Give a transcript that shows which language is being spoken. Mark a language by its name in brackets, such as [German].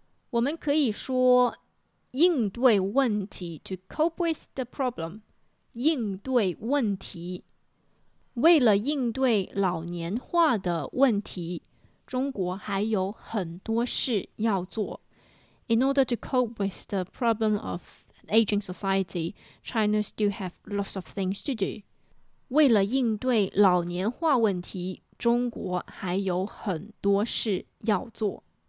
[Chinese] 我们可以说应对问题 ， to cope with the problem，应对问题。为了应对老年化的问题，中国还有很多事要做。 [English] In order to cope with the problem of aging society, China still have lots of things to do. [Chinese] 为了应对老年化问题，中国还有很多事要做。